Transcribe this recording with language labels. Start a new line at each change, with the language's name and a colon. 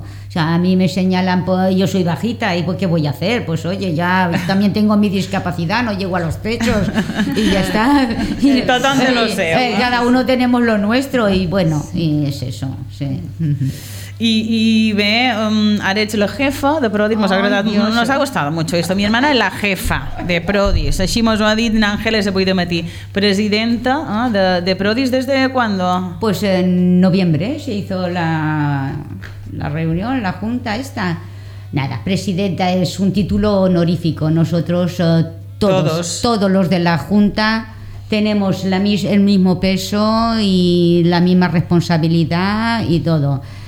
Spanish: O sea, a mí me señalan, pues yo soy bajita, ¿y pues qué voy a hacer? Pues oye, ya también tengo mi discapacidad, no llego a los techos, y ya está. Y, total de lo sé. Cada uno tenemos lo nuestro, y bueno, y es eso, sí.
Catalan: I bé, ara ets la jefa de Prodis, m'ha agradat, no s'ha gustat
Spanish: mucho esto. Mi hermana
Catalan: és la jefa de Prodis, així mos ho ha dit n'Àngeles avui de matí.
Spanish: Presidenta de Prodis, ¿des de cuándo? Pues en noviembre se hizo la reunión, la junta esta. Nada, presidenta es un título honorífico. Nosotros todos los de la junta tenemos el mismo peso y la misma responsabilidad y todo.